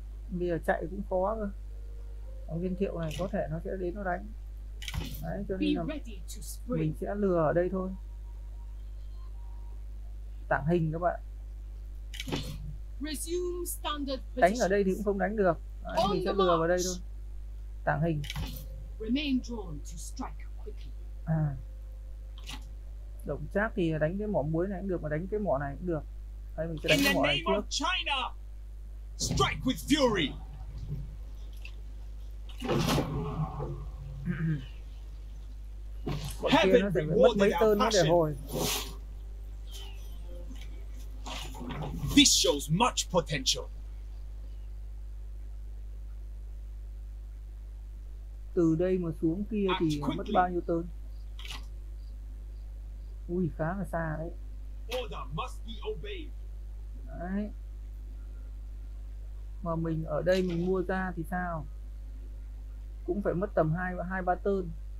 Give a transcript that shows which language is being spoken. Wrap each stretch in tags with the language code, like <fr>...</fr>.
<vi>Bây giờ chạy cũng khó cơ. Ông Viên Thiệu này có thể nó sẽ đến nó đánh. Đấy, cho nên là mình sẽ lừa ở đây thôi. Tảng hình các bạn.</vi> <en>Resume standard position.</en> <vi>Đánh ở đây thì cũng không đánh được. Đấy, mình sẽ lừa vào đây thôi. Tảng hình.</vi> <en>Remain drawn to strike quickly.</en> <vi>Đồng chắc thì đánh cái mỏ muối này cũng được mà đánh cái mỏ này cũng được. Đây mình sẽ đánh cái mỏ này trước.</vi> <en>China, strike with fury.</en> <vi>Heaven nó sẽ mất mấy tên nó để hồi.</vi> <en>This shows much potential.</en> <vi>Từ đây mà xuống kia thì mất bao nhiêu tên? Ui khá là xa đấy.</vi> <en>Order must be obeyed.</en> <vi>Đấy. Mà mình ở đây mình mua ra thì sao? Cũng phải mất tầm 2-3 turn.</vi>